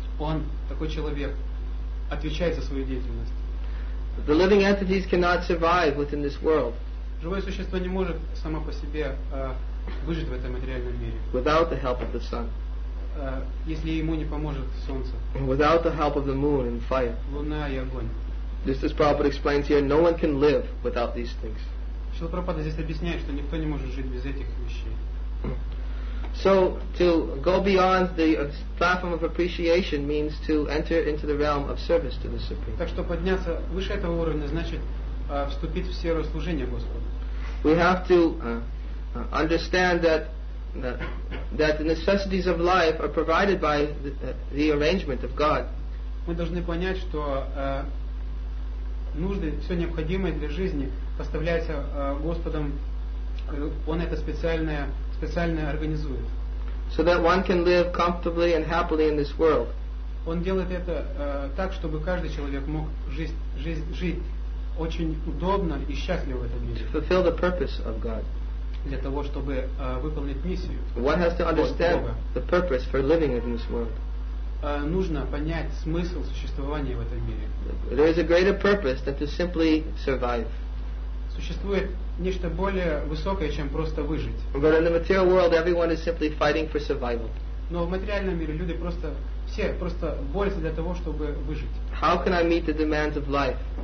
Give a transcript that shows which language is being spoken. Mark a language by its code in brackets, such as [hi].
[ru] Он, такой человек, отвечает за свою деятельность. [en] The living entities cannot survive within this world. [ru] Живое существо не может само по себе выжить в этом материальном мире. [en] Without the help of the sun. [ru] Если ему не поможет солнце. [en] Without the help of the moon and fire. [ru] Луна и огонь. [en] This is Prabhupada explains here, no one can live without these things. [ru] Шрила Прабхупада здесь объясняет, что никто не может жить без этих вещей. [en] So to go beyond the platform of appreciation means to enter into the realm of service to the Supreme. [ru] Так что подняться выше этого уровня значит вступить в сферу служения Господу. [en] We have to understand that the necessities of life are provided by the arrangement of God. [ru] Мы должны понять, что нужды, все необходимое для жизни поставляется Господом. Он это специально организует. [en] So that one can live comfortably and happily in this world. [ru] Он делает это так, чтобы каждый человек мог жить очень удобно и счастливо в этом мире. [en] To fulfill the purpose of God. [ru] Для того, чтобы выполнить миссию. [en] One has to understand the purpose for living in this world. [ru] Нужно понять смысл существования в этом мире. [en] There is a greater purpose than to simply survive. [ru] Существует нечто более высокое, чем просто выжить. [en] But in the material world, everyone is simply fighting for survival. [ru] Но в материальном мире люди просто все просто борются для того, чтобы выжить. [en] How can I meet the demands of life?